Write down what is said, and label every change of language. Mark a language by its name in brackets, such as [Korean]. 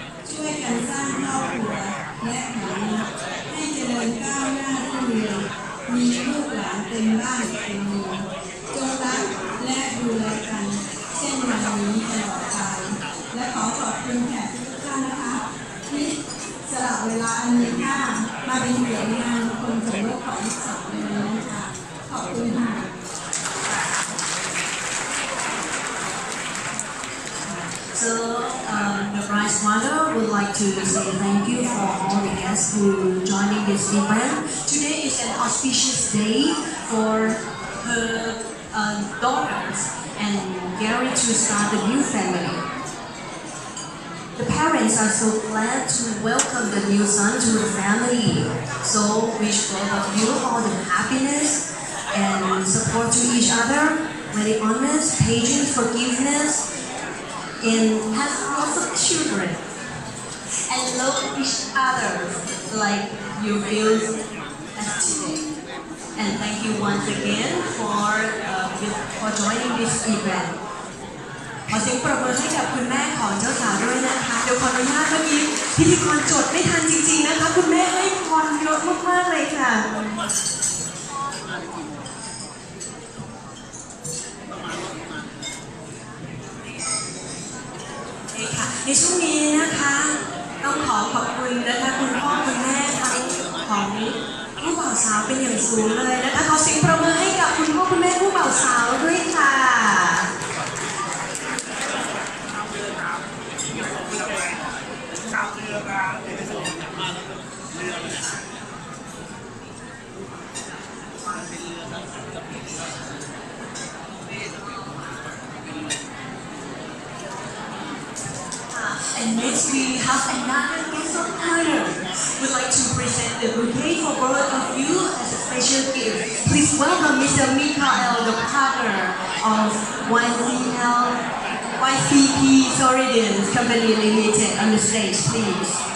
[Thai] ช่วยกันสร้างครอบครัวและฐานะให้เจริญก้าวหน้ารุ่งเรืองมีลูกหลานเต็มบ้านเต็มเมืองจงรักและดูแลกันเช่นวันนี้ตลอดไปและขอขอบคุณแขกทุกท่านนะคะที่สละเวลาอันมีค่ามาเป็นเหยื่อในงานคนสมรสของสาวในวันนี้ค่ะขอบคุณค่ะ [English] So, the bride's mother would like to say thank you for all the guests who are joining this event. Today is an auspicious day for her daughters and Gary to start a new family. The parents are so glad to welcome the new son to the family. So, wish both of you all the happiness and support to each other, many honest, patient, forgiveness,and have lots of children and love each other like you feel as today. And thank you once again for joining this event. [Thai] ขอเสียงปรบมือให้กับคุณแม่ของเจ้าสาวด้วยนะคะเดี๋ยวขออนุญาตเมื่อกี้พิธีกรจดไม่ทันจริงๆนะคะคุณแม่ให้พรเยอะมากๆเลยค่ะ ในช่วงนี้นะคะต้องขอขอบคุณนะคะคุณพ่อคุณแม่ทั้งของ ผู้บ่าวสาวเป็นอย่างสูงเลยนะคะขอเสียงปรบมือให้กับคุณพ่อคุณแม่ผู้บ่าวสาวด้วยค่ะ [English] And next we have another guest of honor. We'd like to present the bouquet for both of you as a special gift. Please welcome Mr. Mikael, the partner of YCP Soridian Company Limited on the stage, please.